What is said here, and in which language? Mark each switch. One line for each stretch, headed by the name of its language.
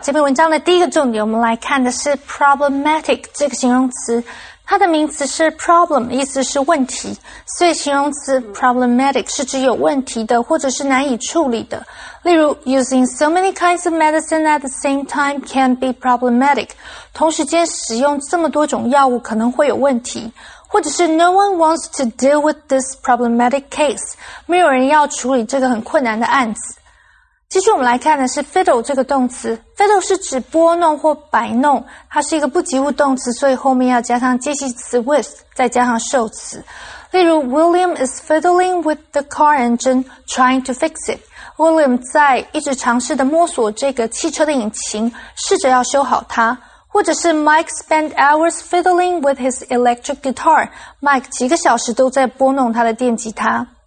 Chinese: 这篇文章的第一个重点我们来看的是 problematic 这个形容词。它的名词是 problem, 意思是问题。所以形容词 problematic 是指有问题的或者是难以处理的。例如
English: using so many kinds of medicine at the same time can be problematic.
Chinese: 同时间使用这么多种药物可能会有问题。或者是
English: no one wants to deal with this problematic case.
Chinese: 没有人要处理这个很困难的案子。继续我们来看的是 fiddle 这个动词 fiddle 是指拨弄或摆弄它是一个不及物动词所以后面要加上介系词 with 再加上受词例如
English: William is fiddling with the car engine trying to fix it
Chinese: William 在一直尝试的摸索这个汽车的引擎试着要修好它或者是
English: Mike spent hours fiddling with his electric guitar
Chinese: Mike 几个小时都在拨弄他的电吉他